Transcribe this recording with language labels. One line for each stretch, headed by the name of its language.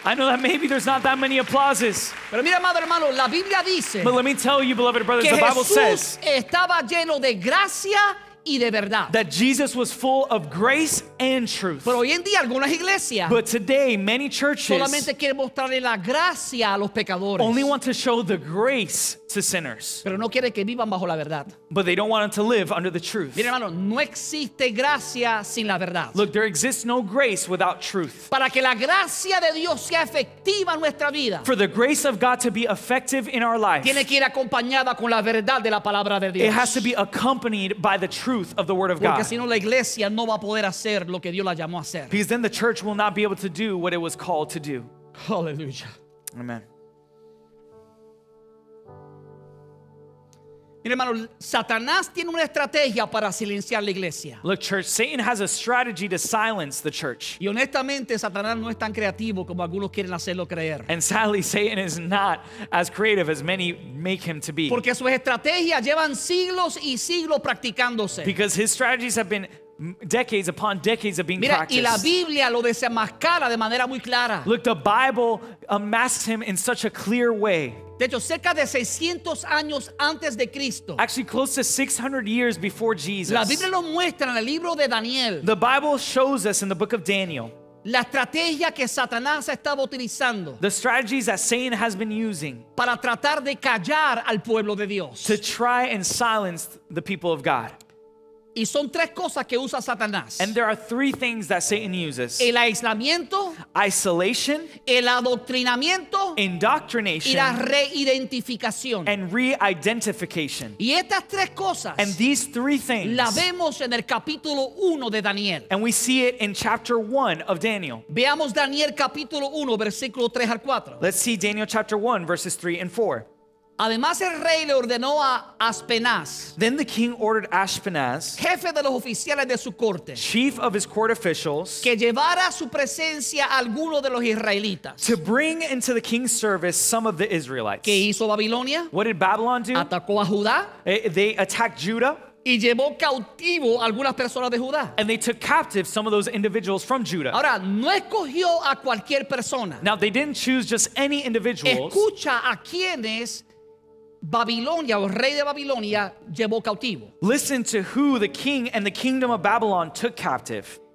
English: I know that maybe there's not that many applauses.
Spanish: Pero mira, amado hermano, la Biblia dice,
English: but let me tell you, beloved brothers,
Spanish: que
English: the Bible
Spanish: Jesús
English: says
Spanish: estaba lleno de gracia y de verdad.
English: That Jesus was full of grace and truth.
Spanish: Pero hoy en día, algunas iglesias,
English: but today, many churches
Spanish: solamente quieren mostrarle la gracia a los pecadores.
English: Only want to show the grace to sinners.
Spanish: Pero no quieren que vivan bajo la verdad.
English: But they don't want them to live under the truth.
Spanish: Mira, hermano, no existe gracia sin la verdad.
English: Look, there exists no grace without truth.
Spanish: Para que la gracia de Dios sea efectiva en nuestra vida,
English: for the grace of God to be effective in our life,
Spanish: tiene que ir acompañada con la verdad de la palabra de Dios.
English: It has to be accompanied by the truth of the word of
Spanish: porque
English: God.
Spanish: Porque si no, la iglesia no va a poder hacer lo que Dios la llamó a hacer.
English: Because then the church will not be able to do what it was called to do. Hallelujah. Amen.
Spanish: Hermano, Satanás tiene una estrategia para silenciar la iglesia.
English: Look, church, Satan has a strategy to silence the church.
Spanish: Y honestamente, Satanás no es tan creativo como algunos quieren hacerlo creer.
English: And sadly, Satan is not as creative as many make him to be.
Spanish: Porque sus estrategias llevan siglos y siglos practicándose.
English: Because his strategies have been decades upon decades of being
Spanish: mira,
English: practiced.
Spanish: Y la Biblia lo desenmascara de manera muy clara.
English: Look, the Bible masks him in such a clear way.
Spanish: De hecho, cerca de 600 años antes de Cristo.
English: Actually, close to 600 years before Jesus.
Spanish: La Biblia lo muestra en el libro de Daniel.
English: The Bible shows us in the book of Daniel.
Spanish: La estrategia que Satanás estaba utilizando.
English: The strategies that Satan has been using.
Spanish: Para tratar de callar al pueblo de Dios.
English: To try and silence the people of God.
Spanish: Y son tres cosas que usa Satanás.
English: And there are three things that Satan uses.
Spanish: El aislamiento.
English: Isolation.
Spanish: El adoctrinamiento.
English: Indoctrination.
Spanish: Y la reidentificación.
English: And re-identification.
Spanish: Y estas tres cosas.
English: And these three things.
Spanish: La vemos en el capítulo 1 de Daniel.
English: And we see it in chapter 1 of Daniel.
Spanish: Veamos Daniel capítulo 1, versículo 3 al 4.
English: Let's see Daniel chapter 1, verses 3 and 4.
Spanish: Además, el rey le ordenó a Aspenaz,
English: then the king ordered Aspenaz,
Spanish: jefe de los oficiales de su corte,
English: chief of his court officials,
Spanish: que llevara su presencia a alguno de los israelitas,
English: to bring into the king's service some of the Israelites.
Spanish: ¿Qué hizo Babilonia?
English: What did Babylon do?
Spanish: Atacó a Judá.
English: They attacked Judah.
Spanish: Y llevó cautivo algunas personas de Judá.
English: And they took captive some of those individuals from Judah.
Spanish: Ahora, no escogió a cualquier persona.
English: Now, they didn't choose just any individuals.
Spanish: Escucha a quienes Babilonia, o rey de Babilonia, llevó cautivo.
English: Listen to who the king and the kingdom of Babylon took captive.